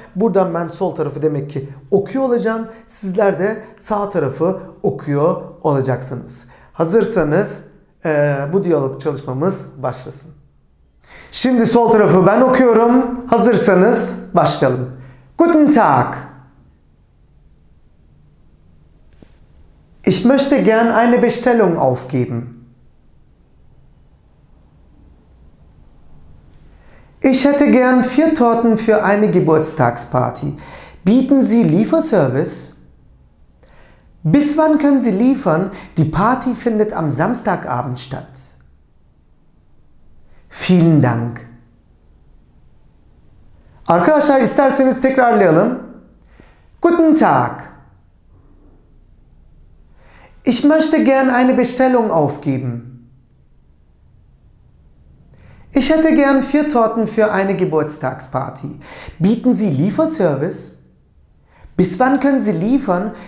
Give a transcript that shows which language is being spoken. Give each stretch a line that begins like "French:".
Turkish: Buradan ben sol tarafı demek ki okuyor olacağım. Sizler de sağ tarafı okuyor olacaksınız. Hazırsanız bu diyalog çalışmamız başlasın. Şimdi sol tarafı ben okuyorum. Hazırsanız başlayalım.
German: Guten Tag. Ich möchte gern eine Bestellung aufgeben. Ich hätte gern 4 Torten für eine Geburtstagsparty. Bieten Sie Lieferservice? Bis wann können Sie liefern? Die Party findet am Samstagabend statt. Vielen Dank.
Turkish: Arkadaşlar isterseniz tekrarlayalım.
German: Guten Tag. Ich möchte gern eine Bestellung aufgeben. Ich hätte gern 4 Torten für eine Geburtstagsparty. Bieten Sie Lieferservice? Bis wann können Sie liefern?